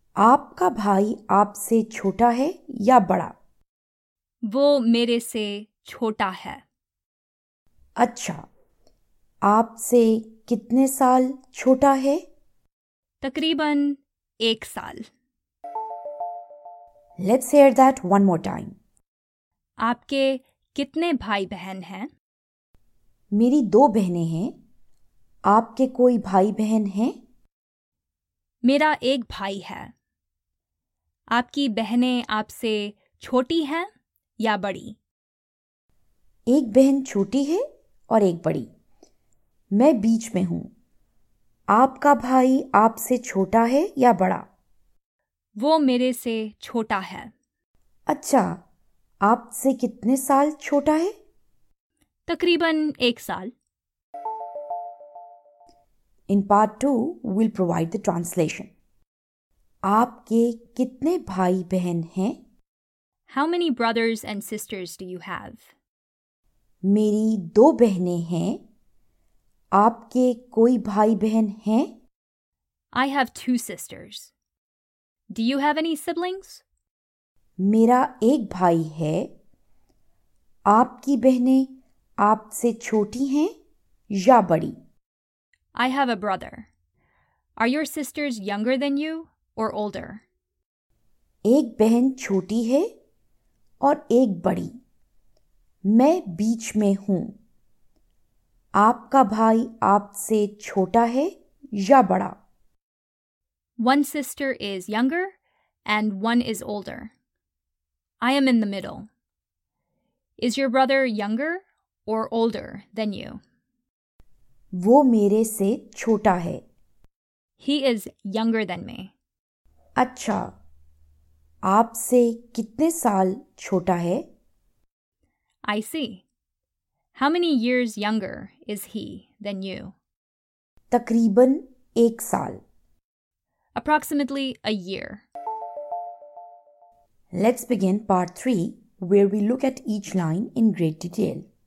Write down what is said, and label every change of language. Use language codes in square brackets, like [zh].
[hi] आपका भाई आपसे छोटा है या बड़ा? वो मेरे से छोटा है. अच्छा, आपसे कितने साल छोटा है? तकरीबन एक साल. [en] Let's hear that one more time. [hi] आपके कितने भाई बहन हैं? मेरी दो बहनें हैं. आपके कोई भाई बहन हैं? मेरा एक भाई है. आपकी बहनें आपसे छोटी हैं या बड़ी? एक बहन छोटी है और एक बड़ी. मैं बीच में हूँ. आपका भाई आपसे छोटा है या बड़ा? वो मेरे से छोटा है. अच्छा, आपसे कितने साल छोटा है? तकरीबन एक साल. [en] In part 2, we'll provide the translation. [hi] आपके कितने भाई बहन हैं? [en] How many brothers and sisters do you have? [hi] मेरी दो बहनें हैं. आपके कोई भाई बहन हैं? [en] I have two sisters. Do you have any siblings? [hi] मेरा एक भाई है. आपकी बहनें आपसे छोटी हैं या बड़ी? [en] I have a brother. Are your sisters younger than you or older? [hi] एक बहन छोटी है और एक बड़ी. मैं बीच में हूँ. आपका भाई आपसे छोटा है या बड़ा? [en] One sister is younger and one is older. I am in the middle. Is your brother younger or older than you? [hi] वो मेरे से छोटा है. [en] He is younger than me. [hi] अच्छा, आपसे कितने साल छोटा है? [en] I see. How many years younger is he than you? [hi] तकरीबन एक साल. [en] Approximately a year. Let's begin part 3, where we look at each line in great detail.